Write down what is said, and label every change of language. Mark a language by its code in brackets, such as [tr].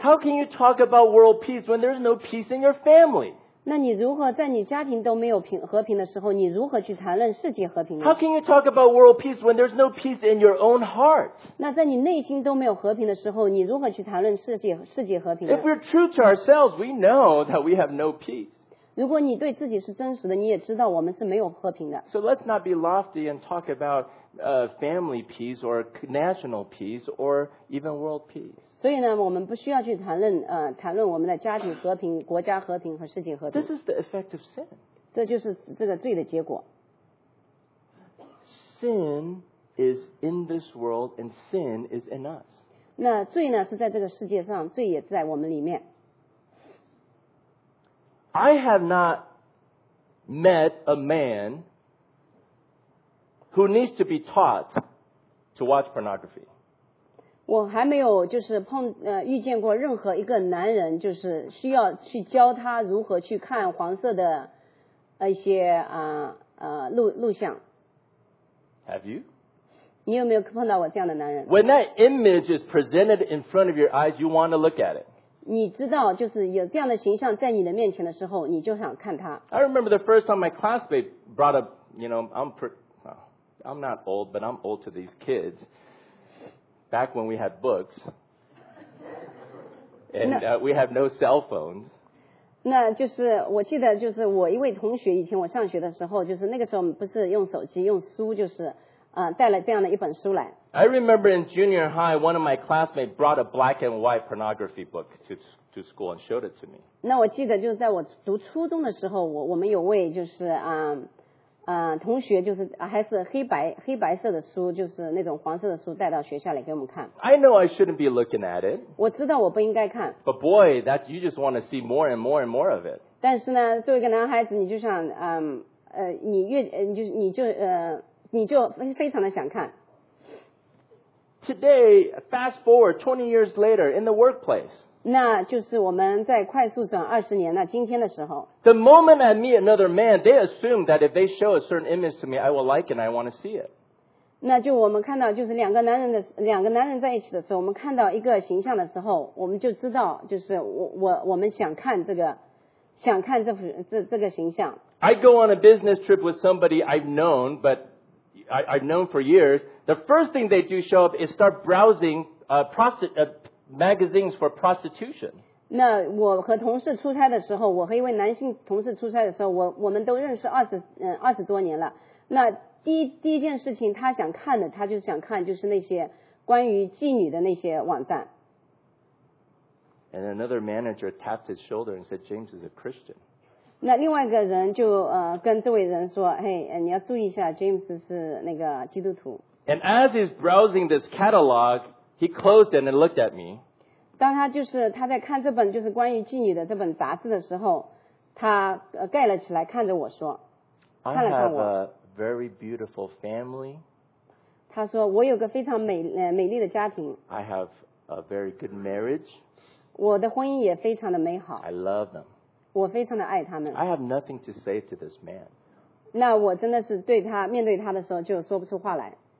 [en] How can you talk about world peace when there's no peace in your family? [zh] 那你如何在你家庭都没有和平的时候，你如何去谈论世界和平呢？ [en] How can you talk about world peace when there's no peace in your own heart? [zh] 那在你内心都没有和平的时候，你如何去谈论世界和平呢？ [en] If we're true to ourselves, we know that we have no peace. [zh] 如果你对自己是真实的，你也知道我们是没有和平的。 [en] So let's not be lofty and talk aboutfamily peace or national peace or even world peace. [zh] 所以呢，我们不需要去谈论我们的家庭和平、国家和平和世界和平。 [en] This is the effect of sin. [zh] 这就是这个罪的结果。 [en] Sin is in this world and sin is in us. [zh] 那罪呢，是在这个世界上，罪也在我们里面。 [en] I have not met a man. Who needs to be taught to watch pornography? [zh] 我还没有就是遇见过任何一个男人，就是需要去教他如何去看黄色的一些录像。 [en] Have you? [zh] 你有没有碰到我这样的男人？ [en] When that image is presented in front of your eyes, you want to look at it. [zh] 你知道就是有这样的形象在你的面前的时候你就想看他。 [en] I remember the first time my classmate brought up, you know, I'm not old, but I'm old to these kids. Back when we had books. And we have no cell phones. [zh] 那就是我记得就是我一位同学以前我上学的时候就是那个时候不是用手机用书就是带了这样的一本书来。 [en] I remember in junior high, one of my classmates brought a black and white pornography book to school and showed it to me. [zh] 那我记得就是在我读初中的时候，我们有位就是同学就是还是黑白色的书，就是那种黄色的书带到学校里给我们看。 [en] I know I shouldn't be looking at it. [zh] 我知道我不应该看。 [en] But boy, that you just want to see more and more and more of it. [zh] 但是呢，作为一个男孩子，你就想你越你就非常的想看。 [en] Today, fast forward 20 years later in the workplace. [zh] 那就是我们在快速转二十年了，今天的时候。 [en] The moment I meet another man, they assume that if they show a certain image to me, I will like it and I want to see it. [zh] 那就我们看到就是两个男人在一起的时候，我们看到一个形象的时候，我们就知道就是我们想看这个，想看这个形象。 [en] I go on a business trip with somebody I've known, but I've known for years. The first thing they do show up is start browsing magazines for prostitution. [zh] 那我和同事出差的时候，我和一位男性同事出差的时候，我们都认识二十多年了。那第一件事情，他想看的，他就想看就是那些关于妓女的那些网站。 [en] And another manager tapped his shoulder and said, "James is a Christian." [zh] 那另外一个人就跟这位人说，嘿，你要注意一下 ，James 是那个基督徒。 [en] And as he's browsing this catalog, he closed it and looked at me. [zh] 当他就是他在看这本就是关于妓女的这本杂志的时候，他盖了起来看着我说，看了看我。 [en] I have a very beautiful family. [zh] 他说我有个非常美丽的家庭。 [en] I have a very good marriage. [zh] 我的婚姻也非常的美好。 [en] I love them. [zh] 我非常的爱他们。 [en] I have nothing to say to this man. [zh] 那我真的是对他面对他的时候就说不出话来。